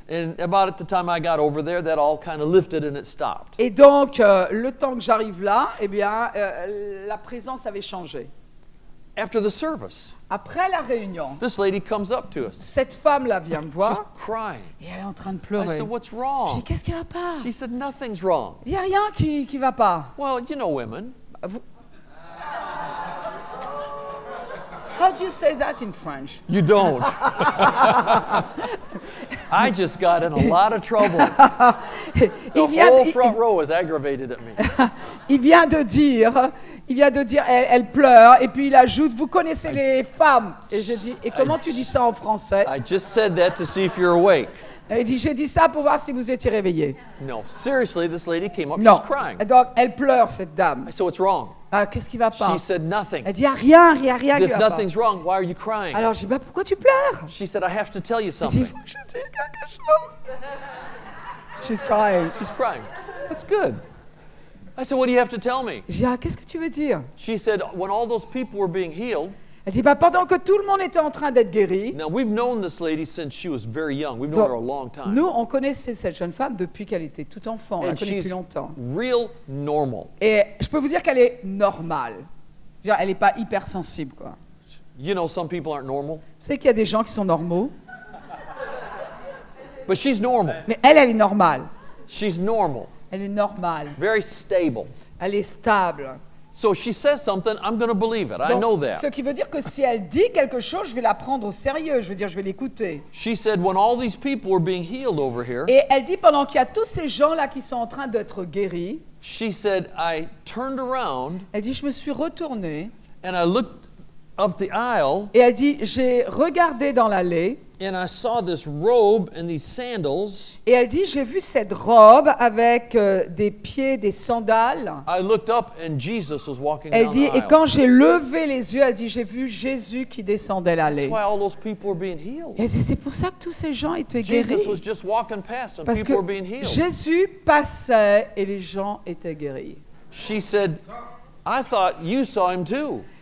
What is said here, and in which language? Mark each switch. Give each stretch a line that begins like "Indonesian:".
English: And about the time I got over there, that all kind of lifted and it stopped.
French: Et donc, le temps que j'arrive là, eh bien, la présence avait changé.
English: After the service.
French: Après la réunion.
English: This lady comes up to us.
French: Cette femme là vient me voir.
English: She's crying.
French: Et elle est en train de pleurer.
English: I said, "What's wrong?"
French: J'ai dit, qu'est-ce qui va pas?
English: She said, "Nothing's wrong."
French: Il y a rien qui va pas.
English: Well, you know women. How do you say that in French? You don't. I just got in a lot of trouble. The whole front row is aggravated at me.
French: Il vient de dire, elle pleure, et puis il ajoute, vous connaissez les femmes. Et je dis, et comment tu dis ça en français?
English: I just said that to see if you're awake.
French: Il dit, j'ai dit ça pour voir si vous étiez réveillé.
English: No, seriously, this lady came up,
French: non.
English: She's crying.
French: Donc, elle pleure, cette dame.
English: I said, what's wrong?
French: Qu'est-ce qui va pas?
English: She said nothing.
French: Elle dit, rien
English: If nothing's wrong, why are you crying?
French: Alors, j'ai dit, pourquoi tu pleures?
English: She said, I have to tell you something.
French: Elle dit, je dis quelque chose.
English: She's crying. That's good. I said, what do you have to tell me?
French: J'ai dit, qu'est-ce que tu veux dire?
English: She said, when all those people were being healed,
French: elle dit, pendant que tout le monde était en train d'être guéri.
English: Now, we've known this lady since she was very young. We've known her a long time.
French: Nous, on connaissait cette jeune femme depuis qu'elle était toute enfant.
English: And
French: on la connaît depuis longtemps.
English: Real normal.
French: Et je peux vous dire qu'elle est normale. Genre, elle n'est pas hypersensible, quoi.
English: You know, some people aren't normal.
French: Vous savez qu'il y a des gens qui sont normaux.
English: But she's normal.
French: Mais elle est normale.
English: She's normal.
French: Elle est normale.
English: Very stable.
French: Elle est stable.
English: So she says something, I'm going to believe it.
French: Donc,
English: I know that.
French: Ce qui veut dire que si elle dit quelque chose, je vais la prendre au sérieux. Je veux dire, je vais l'écouter.
English: She said when all these people were being healed over here.
French: Et elle dit pendant qu'il y a tous ces gens là qui sont en train d'être guéris.
English: She said I turned around.
French: Elle dit je me suis retournée.
English: And I looked up the aisle.
French: Et elle dit j'ai regardé dans l'allée.
English: And I saw this robe and these sandals.
French: Et elle dit, j'ai vu cette robe avec des pieds, des sandales.
English: I looked up and Jesus was walking
French: elle
English: down
French: dit,
English: the aisle.
French: Et quand j'ai levé les yeux, elle dit, j'ai vu Jésus qui descendait l'allée. That's why all those people were being healed. Elle dit, c'est pour ça que tous ces gens étaient
English: Jesus
French: guéris.
English: Jesus was just walking past and
French: Parce
English: people were being healed.
French: Jésus passait et les gens étaient guéris.
English: She said, I thought you saw him too.